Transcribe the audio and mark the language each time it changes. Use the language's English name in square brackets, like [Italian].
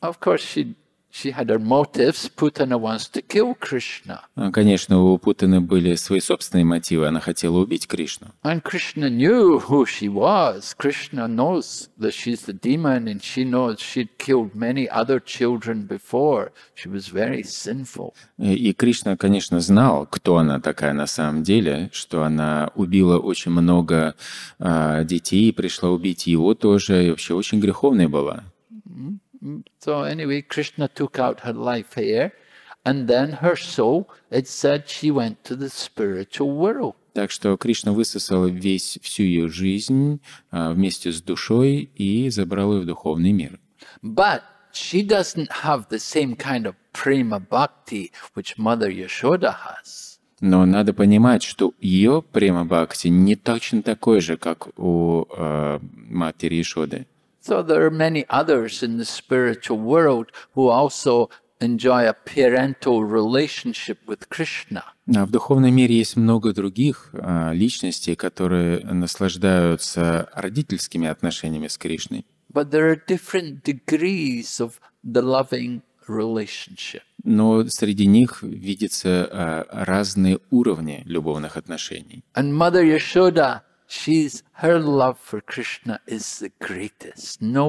[English] Of course, she She had her motives. Putana wants to kill Krishna. [Russian] Конечно, у Путаны были свои собственные мотивы. Она хотела убить Кришну. [English] And Krishna knew who she was. Krishna knows that she's the demon, and she knows she'd killed many other children before. She was very sinful. [Russian] И Кришна, конечно, знал, кто она такая на самом деле, что она убила очень много детей, пришла убить его тоже, и вообще очень греховной была. [English] So anyway, Krishna took out her life here, and then her soul, it said she went to the spiritual world. [Russian] Так что Кришна высосал весь всю ее жизнь вместе с душой и забрал ее в духовный мир. [English] But she doesn't have the same kind of prema bhakti which Mother Yashoda has. [Russian] Но надо понимать, что ее prema bhakti не точно такой же, как у матери Яшоды. [English] So there are many others in the spiritual world who also enjoy a parental relationship with Krishna. [Russian] А в духовном мире есть много других личностей, которые наслаждаются родительскими отношениями с Кришной. [English] But there are different degrees of the loving relationship. [Russian] Но среди них видятся разные уровни любовных отношений. [English] And Mother Yashoda, she's, her love for Krishna is the greatest.